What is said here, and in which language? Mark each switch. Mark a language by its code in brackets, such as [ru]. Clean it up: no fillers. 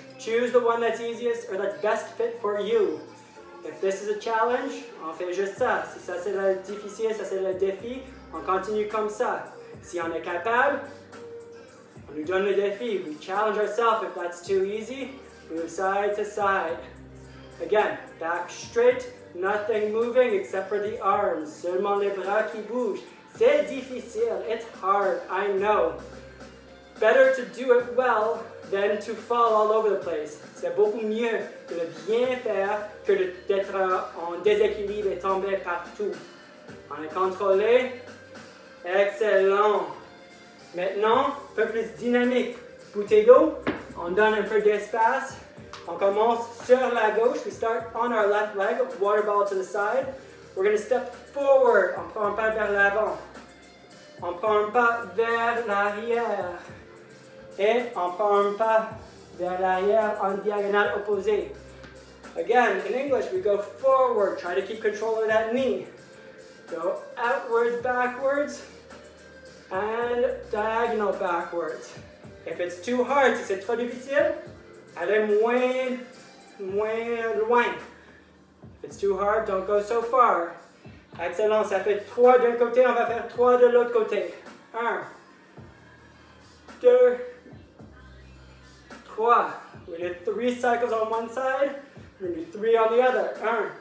[en] Choose the one that's easiest or that's best fit for you. If this is a challenge, [fr] on fait juste ça. Si ça c'est le difficile, ça c'est le défi, on continue comme ça. Si on est capable, on nous donne le défi. [en] We challenge ourselves if that's too easy. Move side to side. Again, back straight, nothing moving except for the arms. [fr] Seulement les bras qui bougent. C'est difficile, [en] it's hard, I know. Better to do it well than to fall all over the place. [fr] C'est beaucoup mieux de le bien faire que d'être en déséquilibre et tomber partout. On est contrôlé. Excellent. Maintenant, un peu plus dynamique. Bouteille d'eau, on donne un peu d'espace. On commence sur la gauche. [en] We start on our left leg, water bottle to the side. We're going to step forward. [fr] On prend un pas vers l'avant. On prend un pas vers l'arrière. Et on prend un pas vers l'arrière en diagonale opposée. [en] Again, in English, we go forward. Try to keep control of that knee. Go outwards, backwards, and diagonal backwards. If it's too hard, [fr] si c'est trop difficile, allez moins loin. [en] If it's too hard, don't go so far. [fr] Excellent, ça fait 3 d'un côté, on va faire 3 de l'autre côté. 1, 2, 3, 4, [en] squat. We did 3 cycles on one side, we're gonna do 3 on the other.